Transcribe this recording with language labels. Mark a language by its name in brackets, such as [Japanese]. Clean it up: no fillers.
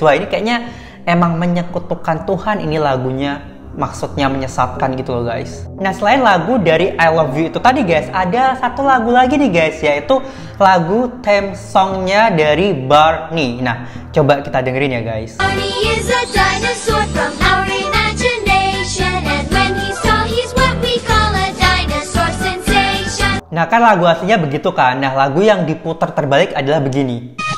[Indonesian] Wah, ini kayaknya emang menyekutukan Tuhan ini lagunya, maksudnya menyesatkan gitu loh guys. Nah, selain lagu dari I Love You itu tadi guys, ada satu lagu lagi nih guys, yaitu lagu theme songnya dari Barney. Nah, coba kita dengerin ya guys. [English] Barney is a dinosaur from our imagination, and when he saw, he's what we call a dinosaur sensation. [Indonesian] Nah, kan lagu aslinya begitu kan. Nah, lagu yang diputar terbalik adalah begini.